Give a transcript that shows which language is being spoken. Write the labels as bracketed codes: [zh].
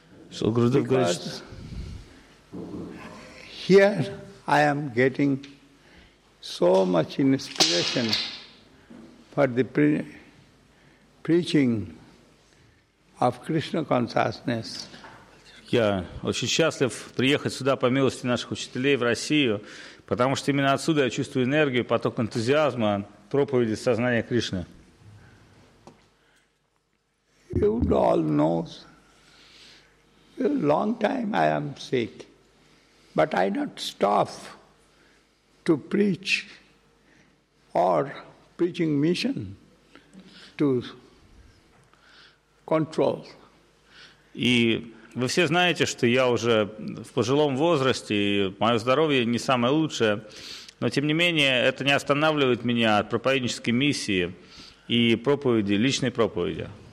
[en] So, Gurudev Gosh, here I am getting so much inspiration for the preaching of Krishna consciousness. [ru] Я очень счастлив приехать сюда по милости наших учителей в Россию, потому что именно отсюда я чувствую энергию, поток энтузиазма, проповеди сознания Кришны. [en] You all know, a long time I am sick, but I not stop to preach or preaching mission to control. [ru] И вы все знаете, что я уже в пожилом возрасте, и мое здоровье не самое лучшее, но тем не менее это не останавливает меня от проповеднической миссии и проповеди, личной проповеди.